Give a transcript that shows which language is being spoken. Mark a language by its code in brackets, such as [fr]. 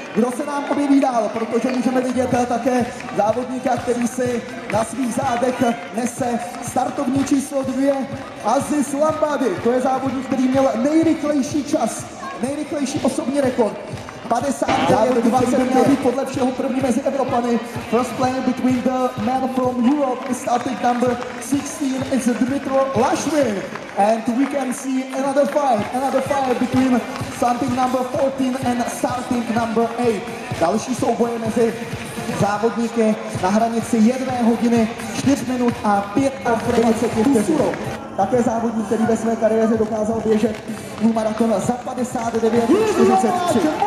[cs] Kdo se nám objeví dál, protože můžeme vidět také závodníka, který si na svých zádech nese startovní číslo 2, Aziz Lambady. To je závodník, který měl nejrychlejší čas, nejrychlejší osobní rekord. 59:20 podle všeho první mezi Evropany. [en] First player between the men from Europe is starting number 16, it's Dmytro Lashvin. And we can see another fight between starting number 14 and starting number 8. [cs] Další souboje mezi závodníky na hranici 1:04:25. Také závodník, který ve své kariéře dokázal běžet půl maratona za 59:43.